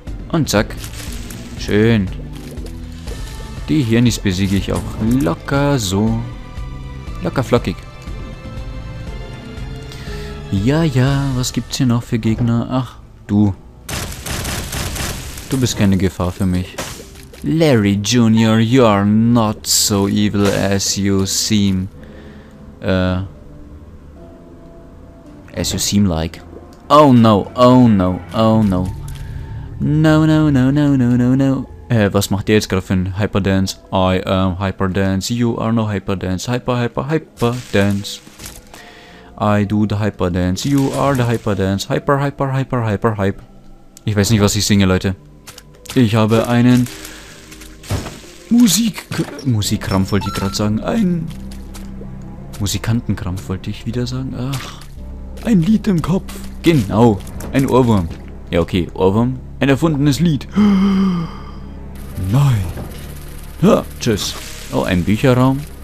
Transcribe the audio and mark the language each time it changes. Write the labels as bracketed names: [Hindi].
[German] Und zack. Schön. Die Hirnis besiege ich auch locker so. Locker flockig. Ja, ja, was gibt's hier noch für Gegner? Ach, du. Du bist keine Gefahr für mich. [English] Larry Jr., you are not so evil as you seem. As you seem like. Oh no, oh no, oh no. No, no, no, no, no, no, no. [German] Was macht ihr jetzt gerade für ein Hyperdance? [English] I am Hyperdance, you are no Hyperdance. Hyper, hyper, hyperdance. I do the Hyperdance, you are the Hyperdance. Hyper, hyper, hyper, hyper, hype. [German] Ich weiß nicht, was ich singe, Leute. Ich habe einen Musikkrampf, wollte ich gerade sagen. Ein Musikantenkrampf, wollte ich wieder sagen. Ach. Ein Lied im Kopf. Genau. Ein Ohrwurm. Ja, okay. Ohrwurm. Ein erfundenes Lied. Nein. Ja, tschüss. Oh, ein Bücherraum.